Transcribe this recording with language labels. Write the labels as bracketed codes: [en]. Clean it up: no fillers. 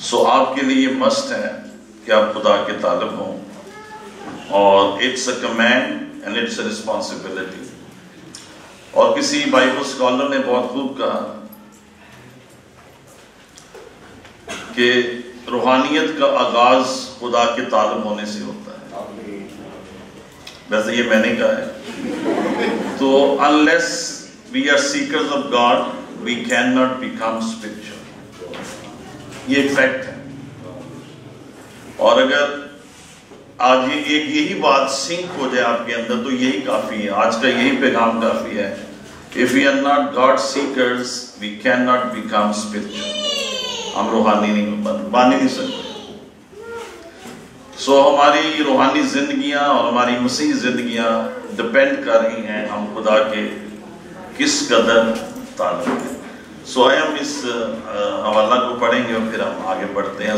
[hi] सो आपके लिए ये मस्ट है कि आप खुदा के तालब हों, और [en] It's a command and it's a responsibility. [hi] और किसी बाइबल स्कॉलर ने बहुत खूब कहा कि रूहानियत का आगाज खुदा के तालब होने से होता है। वैसे ये मैंने कहा है, तो unless [en] We are seekers of God, we cannot become spiritual. [hi] ये एक फैक्ट है। और अगर आज एक यही बात सिंक हो जाए आपके अंदर तो यही काफी है, आज का यही पैगाम काफी है। [en] If we are not God seekers, we cannot become spiritual. [hi] हम रूहानी नहीं बन नहीं सकते। सो हमारी रूहानी जिंदगियां और हमारी मसीह जिंदगियां डिपेंड कर रही हैं हम खुदा के किस कदर तालुक है। सो आई हम इस हवाला को पढ़ेंगे और फिर हम आगे बढ़ते हैं।